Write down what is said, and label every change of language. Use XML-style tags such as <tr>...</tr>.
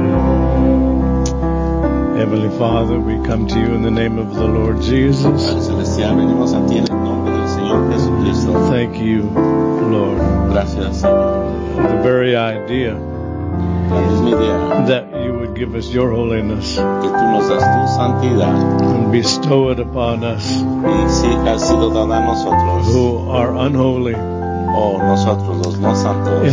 <en>Heavenly Father, we come to you in the name of the Lord Jesus.</en> <es>Padre Celestial, venimos a ti en el nombre del Señor Jesucristo.</es> <en>Thank you, Lord.</en> <es>Gracias, Señor.</es> <en>For the very idea that you would give us your holiness,</en> <es>que tú nos das tu santidad,</es> <en>and bestow it upon us,</en> <es>y si ha sido dada a nosotros,</es> <en>who are unholy,</en> <es>oh, nosotros los no santos,</es>